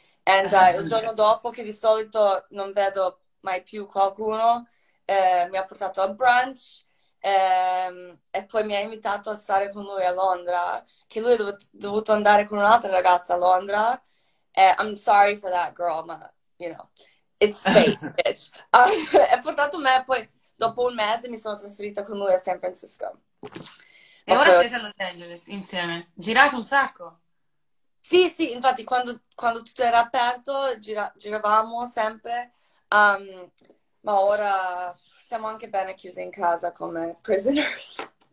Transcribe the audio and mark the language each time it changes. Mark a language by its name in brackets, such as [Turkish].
[Italian] And il giorno dopo, che di solito non vedo mai più qualcuno, mi ha portato a brunch, e poi mi ha invitato a stare con lui a Londra, che lui è dovuto andare con un'altra ragazza a Londra. [English] I'm sorry for that girl, [Italian] ma, [English] you know, it's fate, bitch. [Italian] Ha portato me, poi dopo un mese mi sono trasferita con lui a San Francisco. E ora siete a Los Angeles insieme. Girate un sacco. Sì, sì, infatti quando tutto era aperto giravamo sempre. Ma ora siamo anche bene chiusi in casa come prisoners.